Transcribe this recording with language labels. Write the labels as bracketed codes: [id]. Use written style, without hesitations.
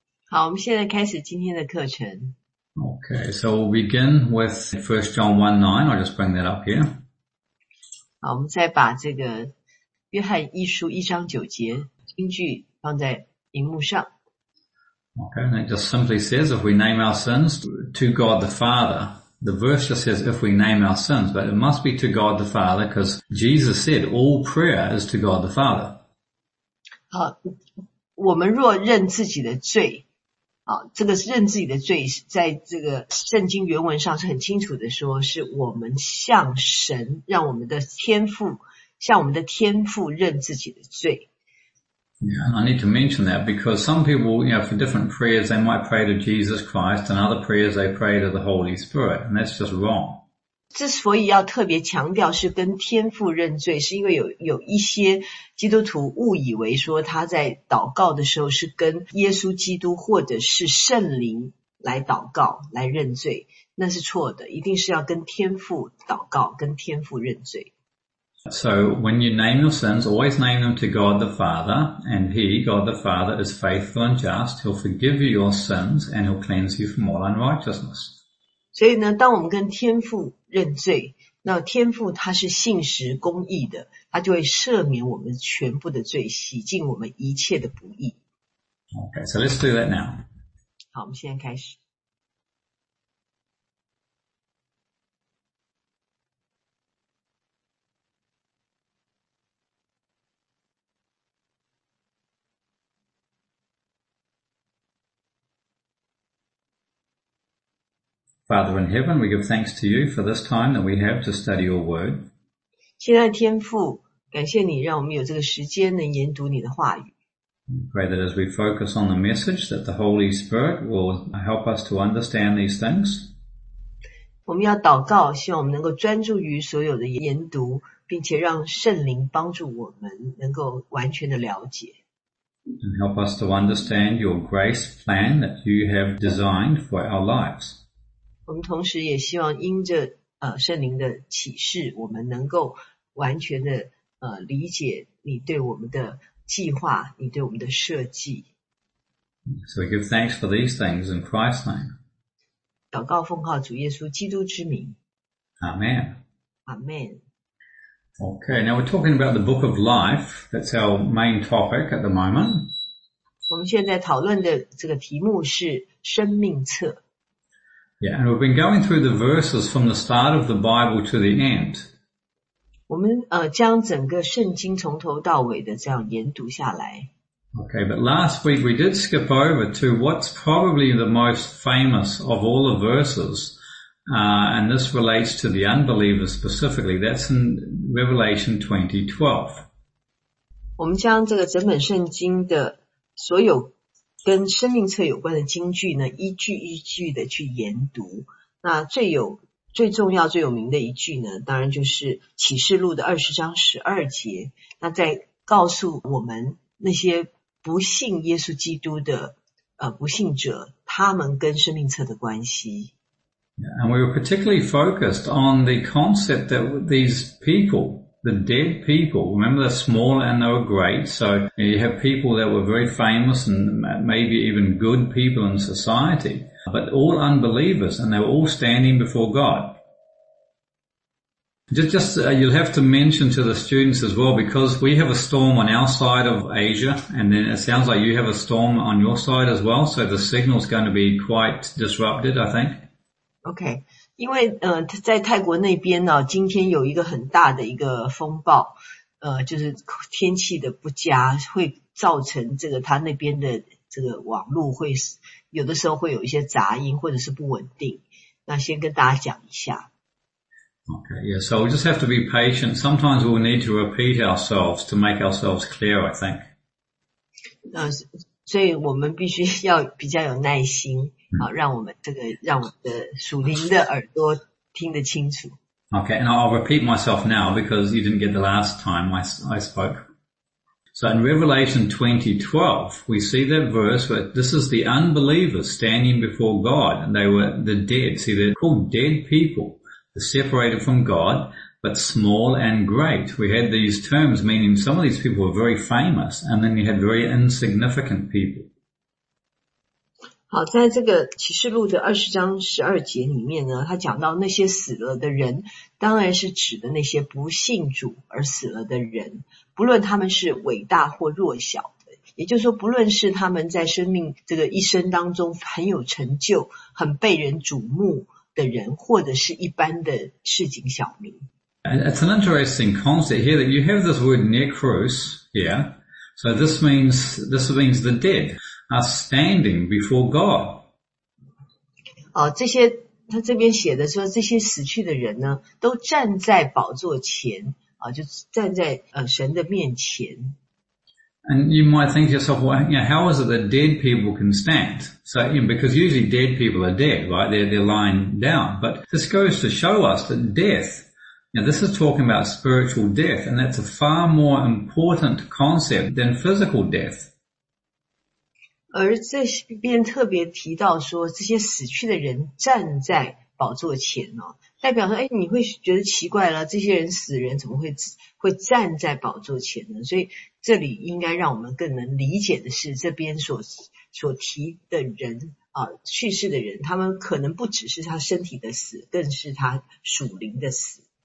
[zh] 好，我们现在开始今天的课程。 [en] Okay, so we'll begin with 1 John 1:9. I'll just bring that up here. [zh] 好，我们再把这个约翰一书一章九节金句放在荧幕上。 [en] Okay, and it just simply says, if we name our sins to God the Father, the verse just says, if we name our sins, but it must be to God the Father, because Jesus said, all prayer is to God the Father. [zh] 好。我们若认自己的罪、啊、这个认自己的罪在这个圣经原文上是很清楚的说是我们向神让我们的天父向我们的天父认自己的罪 [en] Yeah, I need to mention that because some people, you know, for different prayers they might pray to Jesus Christ and other prayers they pray to the Holy Spirit and that's just wrong [zh] 之所以要特别强调是跟天父认罪是因为 有一些基督徒误以为说他在祷告的时候是跟耶稣基督或者是圣灵来祷告来认罪那是错的一定是要跟天父祷告跟天父认罪 [en] So when you name your sins always name them to God the Father and He, God the Father is faithful and just He'll forgive you your sins and He'll cleanse you from all unrighteousness [zh] 所以呢当我们跟天父认罪那天父他是信实公义的他就会赦免我们全部的罪洗净我们一切的不义 [en] Okay, so let's do that now [zh] 好我们现在开始 [en] Father in heaven, we give thanks to you for this time that we have to study your word [zh] 现在天父感谢你让我们有这个时间能研读你的话语。 [en] Pray that as we focus on the message that the Holy Spirit will help us to understand these things. [zh] 我们要祷告希望我们能够专注于所有的研读并且让圣灵帮助我们能够完全的了解。 [en] And help us to understand your grace plan that you have designed for our lives. [zh] 我们同时也希望因着圣灵的启示我们能够完全的理解你对我们的计划你对我们的设计 [en] So we give thanks for these things in Christ's name [zh] 祷告奉靠主耶稣基督之名 [en] Amen Amen Okay, now we're talking about the book of life That's our main topic at the moment [zh] 我们现在讨论的这个题目是生命册 [en] Yeah, and we've been going through the verses from the start of the Bible to the end [zh] 我们将整个圣经从头到尾的这样研读下来。 [en] Okay, but last week we did skip over to what's probably the most famous of all the verses, and this relates to the unbelievers specifically. That's in Revelation 20:12. [zh] 我们将这个整本圣经的所有跟生命册有关的经句呢，一句一句的去研读。那最有最重要最有名的一句呢当然就是启示录的20章12节那在告诉我们那些不信耶稣基督的不信者他们跟生命册的关系 [en] yeah, And we were particularly focused on the concept that these people the dead people remember they're small and they were great so you have people that were very famous and maybe even good people in societyBut all unbelievers, and they're all standing before God. You'll have to mention to the students as well, because we have a storm on our side of Asia, and then it sounds like you have a storm on your side as well, so the signal's going to be quite disrupted, I think. Okay. [zh] 因为在泰国那边呢今天有一个很大的一个风暴就是天气的不佳会造成这个他那边的这个网络会有的时候会有一些杂音或者是不稳定那先跟大家讲一下 [en] Okay, yeah, so we just have to be patient Sometimes we'll need to repeat ourselves to make ourselves clear, I think [zh] 所以我们必须要比较有耐心、啊、让我们这个让我们的属灵的耳朵听得清楚 [en] Okay, and I'll repeat myself now because you didn't get the last time I spokeSo in Revelation 20:12, we see that verse where this is the unbelievers standing before God and they were the dead. See, they're called dead people, separated from God. but small and great. We had these terms meaning some of these people were very famous, and then you had very insignificant people. [zh] 好，在这个启示录的二十章十二节里面呢，他讲到那些死了的人，当然是指的那些不信主而死了的人，不论他们是伟大或弱小的，也就是说，不论是他们在生命这个一生当中很有成就、很被人瞩目的人，或者是一般的市井小民。 [en] It's an interesting concept here that you have this word nekros here. So this means the dead are standing before God. [zh] 哦，这些他这边写的说，这些死去的人呢，都站在宝座前啊，就站在神的面前。 [en] And you might think to yourself, well, you know, how is it that dead people can stand? So, you know, because usually dead people are dead, right? They're lying down. But this goes to show us that death, you know, this is talking about spiritual death, and that's a far more important concept than physical death. [zh] 而这边特别提到说，这些死去的人站在宝座前哦，代表说，哎，你会觉得奇怪了，这些人死人怎么会站在宝座前呢？所以这里应该让我们更能理解的是，这边所提的人啊，去世的人，他们可能不只是他身体的死，更是他属灵的死。